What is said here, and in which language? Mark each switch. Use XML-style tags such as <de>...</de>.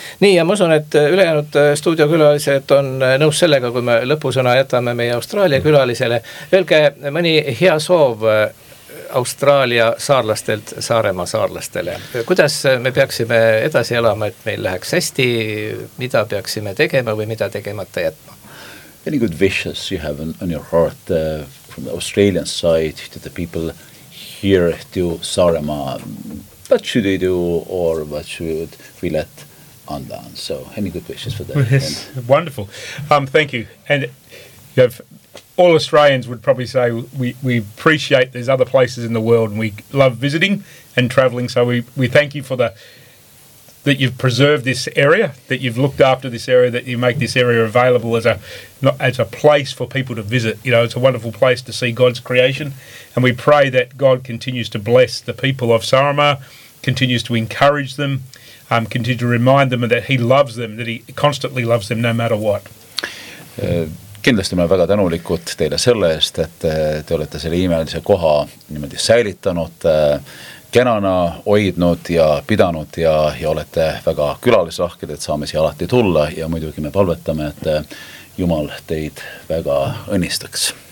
<et>Nii ja ma usun, et ülejäänud stuudiokülalised on nõus sellega, kui me lõpusõna jätame meie Austraalia külalisele. Öelge mõni hea soov Austraalia saarlastelt Saaremaa saarlastele. Kuidas me peaksime edasi elama, et meil läheks hästi, mida peaksime tegema või mida tegemata jätma?</et> <en>Any good wishes you have on your heart from the Australian side to the people here to Saaremaa? What should they do or what should we let undone? So any good wishes for that? Well, yes, wonderful. Thank you. And you have, all Australians would probably say we appreciate there's other places in the world and we love visiting and travelling. So we thank you for that you've preserved this area, that you've looked after this area, that you make this area available as a place for people to visit. You know, it's a wonderful place to see God's creation. And we pray that God continues to bless the people of Saaremaa, continues to encourage them, continue to remind them that he loves them, that he constantly loves them no matter what.</en> <et>Kindlasti ma olen väga tänulikud teile selle eest, et te olete selle imelise koha niimoodi säilitanud, kenana hoidnud ja pidanud ja olete väga külalisrahked, et saame siia alati tulla ja muidugi me palvetame, et Jumal teid väga õnnistaks.</et>